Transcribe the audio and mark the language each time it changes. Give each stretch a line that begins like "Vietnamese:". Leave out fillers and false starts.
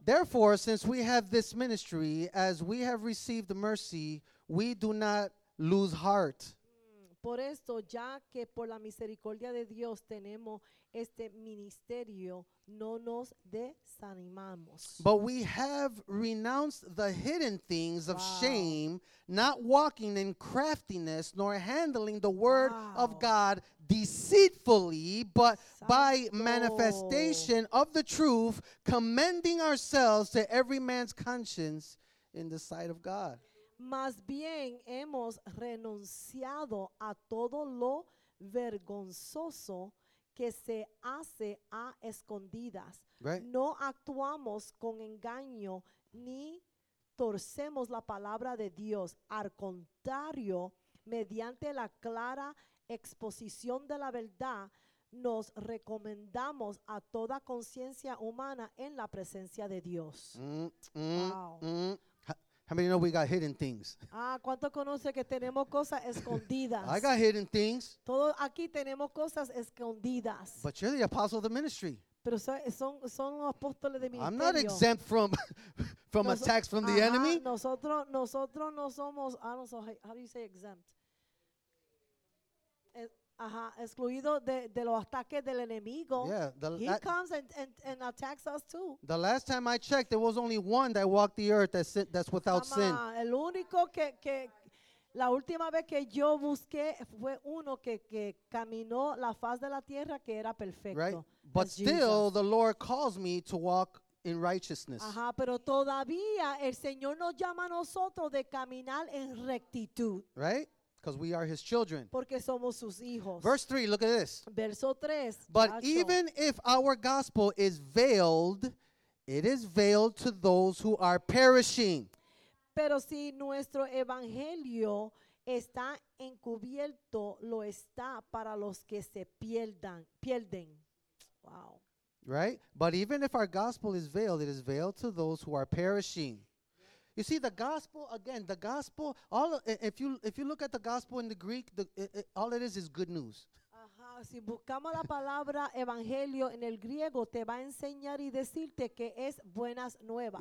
English: Therefore, since we have this ministry, as we have received mercy, we do not lose heart.
Spanish: Por esto, ya que por la misericordia de Dios tenemos este ministerio, no nos desanimamos.
English: But we have renounced the hidden things of shame, not walking in craftiness, nor handling the word of God deceitfully, but
Spanish: Santo.
English: By manifestation of the truth, commending ourselves to every man's conscience in the sight of God.
Spanish: Más bien hemos renunciado a todo lo vergonzoso que se hace a escondidas.
English: Right.
Spanish: No actuamos con engaño ni torcemos la palabra de Dios. Al contrario, mediante la clara exposición de la verdad, nos recomendamos a toda conciencia humana en la presencia de Dios.
English: Wow. How many know we got hidden things?
Spanish: Ah, ¿cuánto conoce que tenemos cosas escondidas?
English: I got hidden things.
Spanish: Todos aquí tenemos cosas escondidas.
English: But you're the apostle of the ministry.
Spanish: Pero son los apóstoles de ministerio.
English: I'm not exempt from attacks from the enemy.
Spanish: Nosotros no somos,
English: how do you say exempt?
Spanish: Excluido de los ataques del enemigo.
English: Yeah, comes and attacks us too. The last time I checked, there was only one that walked the earth that's without sin.
Spanish: El único que la última vez que yo busqué fue uno que caminó la faz de la tierra que era perfecto.
English: Right? But still, the Lord calls me to walk in righteousness.
Spanish: Ajá, pero todavía el Señor nos llama a nosotros de caminar en rectitud.
English: Right? Because we are his children.
Spanish: Porque somos sus hijos.
English: Verse 3, look at this.
Spanish: Verso 3.
English: But even if our gospel is veiled, it is veiled to those who are perishing.
Spanish: Pero si nuestro evangelio está encubierto, lo está para los que se pierden.
English: Wow. Right? But even if our gospel is veiled, it is veiled to those who are perishing. You see, the gospel, again, the gospel, all if you look at the gospel in the Greek, all it is good news.
Spanish: Si buscamos la palabra evangelio en el griego, te va a enseñar y decirte que es buenas nuevas.